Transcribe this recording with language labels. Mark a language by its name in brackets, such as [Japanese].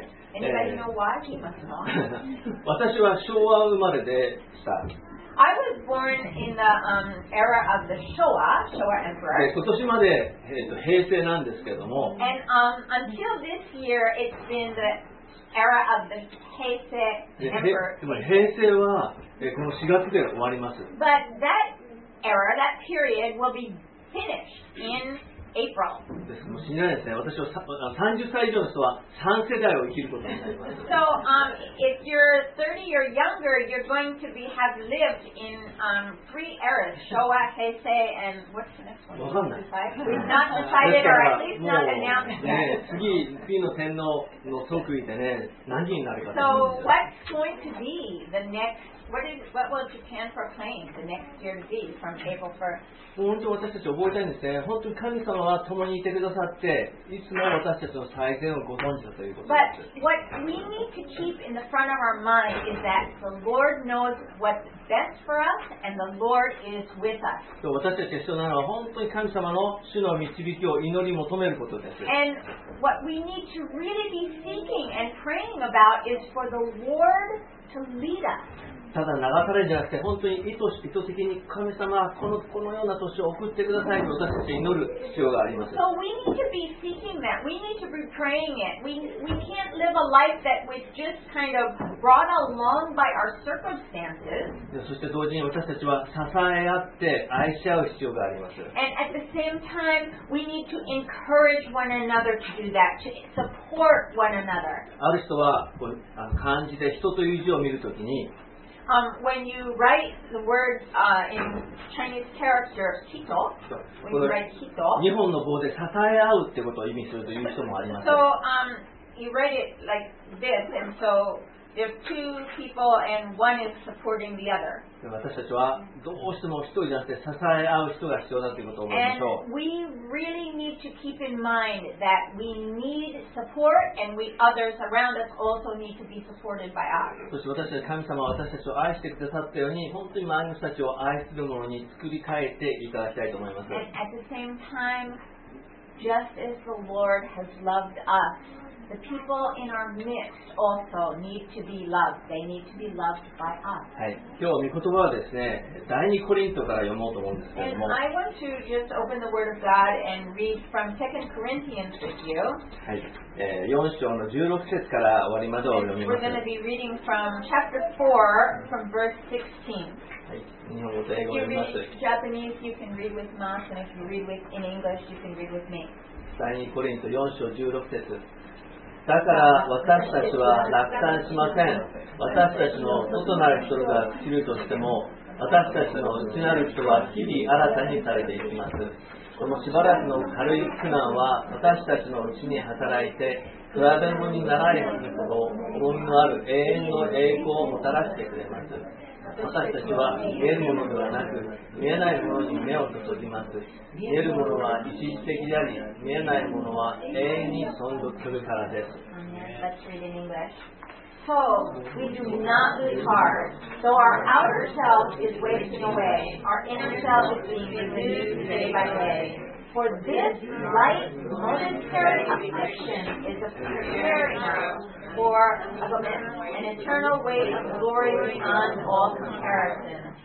[English] Anybody know why? He must know. [Japanese] 私は昭和生まれでした。 [English] I was born in the era of the Showa, Showa Emperor. [Japanese] 今年まで、平成なんですけども。 [English] And until this year, it's been the era of the Heisei Emperor. [Japanese] つまり平成はこの4月で終わります。 [English] But that era, that period will be finished in April. [Japanese] ですもう死にないですね。私は30歳以上の人は3世代を生きることになります。 [English] So, if you're 30 or younger, you're going to be, have lived in, three eras, Showa, Heisei, and what's the next one? [Japanese] わかんない。 [English] We've not decided or at least not announced yet. [Japanese] 次の天皇の即位でね、何になるか。 [English] So, what's going to be the next? What will Japan proclaim the next year to be from April 1st? [Japanese] 本当に私たち覚えたいんですね。本当に神様は共にいてくださって、いつも私たちの最善をご存知だということです。 [English] But what we need to keep in the front of our mind is that the Lord knows what's best for us and the Lord is with us. [Japanese] 私たちが必要なのは本当に神様の主の導きを祈り求めることです。 [English] And what we need to really be seeking and praying about is for the Lord to lead us. [Japanese] ただ流されるじゃなくて本当に意図的に神様はこのような年を送ってくださいと私たちは祈る必要があります。 [English] So we need to be seeking that. We need to be praying it. We can't live a life that was just kind of brought along by our circumstances. [Japanese] そして同時に私たちは支え合って愛し合う必要があります。 [English] And at the same time, we need to encourage one another to do that, to support one another. [Japanese] ある人は漢字で人という字を見るときに、 [English] When you write the word in Chinese character, 人, when you write 人, [Japanese] 日本の棒で支え合うってことを意味するという人もあります。 [English] So, you write it like this, and so there's two people, and one is supporting the other. [Japanese] 私たちはどうしても一人じゃなくて支え合う人が必要だということを思うでしょう。 [English] And we really need to keep in mind that we need support and we others around us also need to be supported by us. [Japanese] そして私たち神様は私たちを愛してくださったように本当に周りの人たちを愛するものに作り変えていただきたいと思います。 [English] And at the same time, just as the Lord has loved us,The people in our midst also need to be loved. They need to be loved by us. [Japanese] はい、今日御言葉はですね、第二コリントから読もうと思うんですけども。 [English] And I want to just open the Word of God and read from 2 Corinthians with you. [Japanese] はい、4章の16節から終わりまでを読みます。 [English] We're going to be reading from chapter 4 from verse 16. [Japanese] はい、日本語と英語を読みます。 [English] If you read Japanese, you can read with Mas, and if you read with, in English, you can read with me. [Japanese] 第二コリント4章16節。だから私たちは落胆しません。私たちの外なる人が尽きるとしても、私たちの内なる人は日々新たにされていきます。このしばらくの軽い苦難は私たちの内に働いて、比べ物にならないほど重みのある永遠の栄光をもたらしてくれます。私たちは見えるものではなく、見えないものに目を注ぎます。見えるものは一時的であり、見えないものは永遠に存続するからです。 [English] So, we do not lose heart. Though our outer self is wasting away, our inner self is being renewed day by day. For this light, momentary affliction is a preparing for an eternal weight of glory beyond all comparison.